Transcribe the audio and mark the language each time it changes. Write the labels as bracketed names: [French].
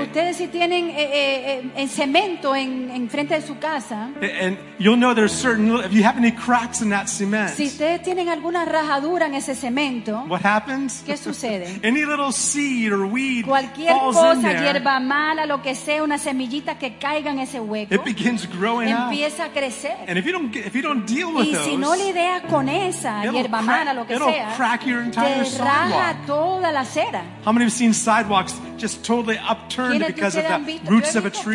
[Spanish] ¿Ustedes si tienen en cemento en frente de su casa? [English] And you'll know there's certain, if you have any cracks in that cement. [Spanish] Si ustedes tienen alguna rajadura en ese cemento. [English] What happens? [Spanish] ¿Qué sucede? [English] Any little seed or weed [Spanish] cualquier [English] falls [Spanish] cosa, [English] in there. [Spanish] Cualquier cosa, hierba mala, lo que sea, una semillita que caiga en ese hueco. [English] It begins growing up. [Spanish] Empieza a crecer. [English] And if you don't deal with [Spanish] y si [English] those, [Spanish] no lidias con esa hierba mala, lo que [English] it'll [Spanish] sea, [English] crack your entire [Spanish] te raja toda la acera. [English] How many have seen sidewalks just totally upturned because of the roots of a tree?